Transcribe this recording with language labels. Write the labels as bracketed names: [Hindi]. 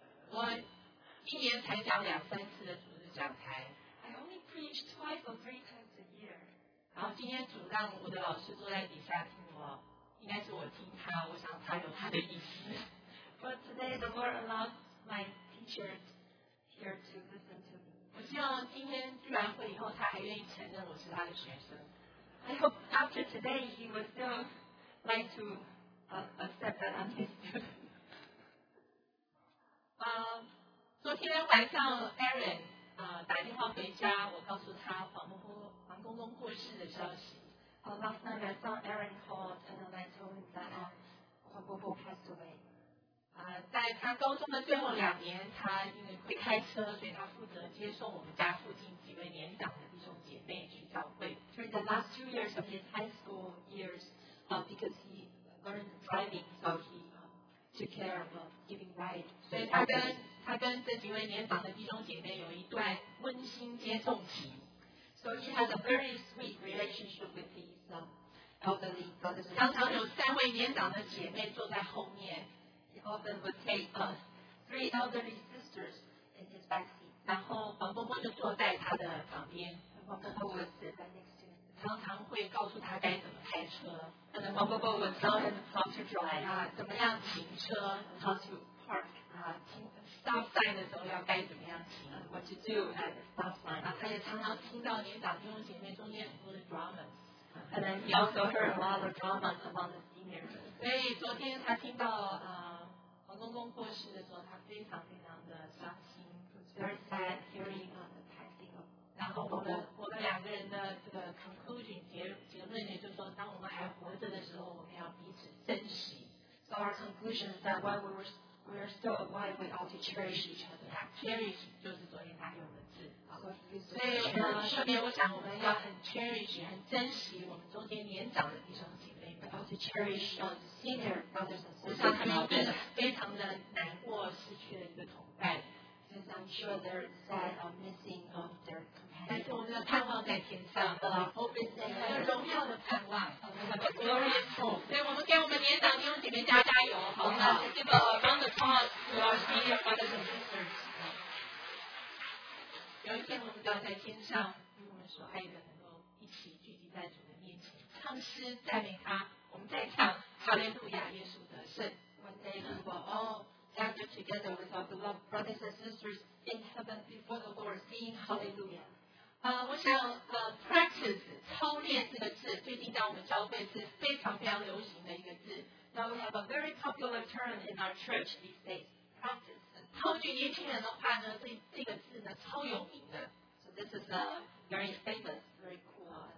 [Chinese] 我一年才讲两三次的主日讲台。 [English] I only preach twice or three times a year. [Chinese] 然后今天主让我的老师坐在底下听我，应该是我听他，我想他有他的意思。 [English] But today the Lord allowed my teacher here to listen to me. [Chinese] 我希望今天聚完会以后，他还愿意承认我是他的学生。 [English] I hope after today he will still like to accept that I'm his student. [Chinese] 昨天晚上 Aaron打电话回家，我告诉他黄公公过世的消息。 [English] Last night I saw Aaron called and then I told him that黄公公 passed away. [Chinese] 在他高中的最后两年，他因为会开车，所以他负责接送我们家附近几位年长的弟兄姐妹去教会。 [English] During the last 2 years of his high school years, because he learned driving, so he took care of giving ride. [Chinese] 所以他跟这几位年长的弟兄姐妹有一段温馨接送情。 [English] So he has a very sweet relationship with these elderly brothers. [Chinese] 常常有三位年长的姐妹坐在后面。 [English] He often would take three elderly sisters in his back seat. [Chinese] 然后黄公公就坐在他的旁边。 [English] 黄公公 would sit right next to him. [Chinese] 常常会告诉他该怎么开车。 [English] And then 黄公公 would tell him how to drive. [Chinese] 怎么样停车 [English] ？How to park. Stop sign [Chinese] 的时候要该怎么样停 [English] ？What to do at the stop sign. [Chinese] 他也常常听到年长弟兄姐妹中间很多的 dramas. [English] And then he also heard a lot of dramas among the seniors. [Chinese] 所以昨天他听到黄公公过世的时候，他非常非常的伤心。 [English] Very sad hearing on the passing of. [Chinese] 然后我们两个人的这个 conclusion 结论呢，就是说，当我们还活着的时候，我们要彼此珍惜。 [English] So our conclusion is that while we are still alive, we ought to cherish each other. [Chinese] Cherish 就是昨天他用的字。所以顺便我想，我们要很 cherish， 很珍惜我们中间年长的弟兄姐妹。 [English] We ought to cherish the senior brothers and sisters. [Chinese] 我想他们真的非常的难过，失去了一个同伴。 [English] Because I'm sure they're sad of missing of their companion. [Chinese] 但是我们的盼望在天上。 [English] But our hope is in heaven. [Chinese] 荣耀的盼望。 [English] A glorious hope. [Chinese] 所以我们给我们年长弟兄姐妹加加油，好不好？ [English] Let's give a round of applause to our senior brothers and sisters. [Chinese] 有一天我们要在天上与我们所爱的能够一起聚集在主的面前，唱诗赞美他。我们再唱哈利路亚，耶稣得胜。 [English] One day we will all gather together with our beloved brothers and sisters in heaven before the Lord, singing Hallelujah. [Chinese] 我想practice 操练这个字，最近在我们教会是非常非常流行的一个字。 [English] Now we have a very popular term in our church these days. Practice. [Chinese] 超级年轻人的话呢，这个字呢超有名的。 [English] So this is a very famous, very cool,